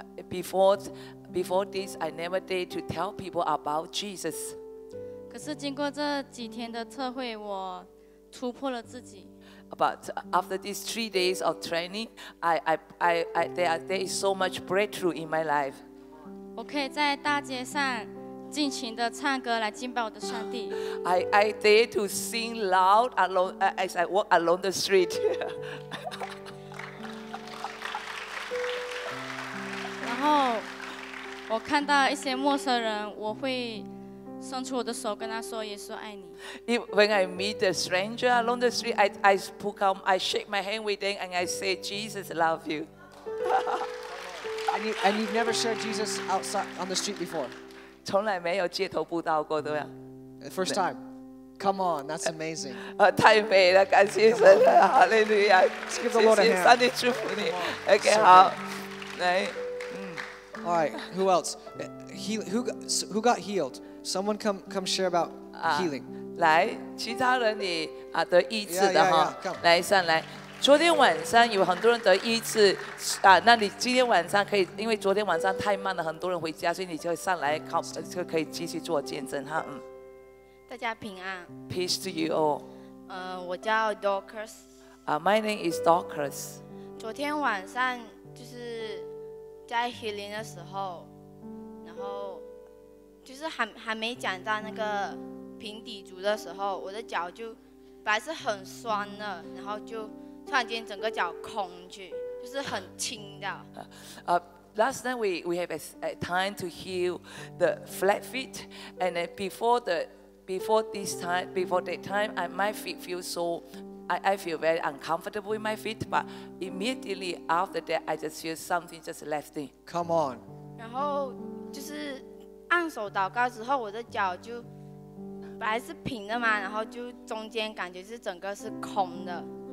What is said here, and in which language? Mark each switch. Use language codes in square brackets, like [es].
[en] Before this, I never dare to tell people about Jesus. [zh] 可是经过这几天的特会，我突破了自己。 [en] But after these 3 days of training, there is so much breakthrough in my life. [zh] 我可以在大街上。尽情的唱歌来敬拜我的上帝。 [en] I dare to sing loud alone as I walk along the street. [zh] 然后我看到一些陌生人，我会伸出我的手跟他说：“耶稣爱你。” [en] When I meet the stranger along the street, I shake my hand with them and I say, "Jesus, love you." And you've never shared Jesus outside on the street before. [zh] 从来没有街头布道过，对吧 [en] ？First time, come on, that's amazing. [zh] 太美了，感谢神了，哈利路亚！谢谢上帝祝福你。OK， 好，来。 [en] All right, who else? Who got healed? Someone come share about healing. [zh] 来，其他人你得医治的哈，来上来。昨天晚上有很多人得医治那你今天晚上可以，因为昨天晚上太慢了，很多人回家，所以你就上来靠，就可以继续做见证哈。大家平安。 [en] Peace to you all。 [zh] 我叫 Dorcas。 [en] My name is Dorcas。 [zh] 昨天晚上就是在 healing 的时候，然后就是还没讲到那个平底足的时候，我的脚就本来是很酸的，然后就突然间整个脚空去，就是很轻的。 [en] Last night we have a time to heal the flat feet, and then before that time, my feet feel so, I feel very uncomfortable with my feet. But immediately after that, I just feel something just left me. Come on. [zh] 然后就是按手祷告之后，我的脚就本来是平的嘛，然后就中间感觉是整个是空的。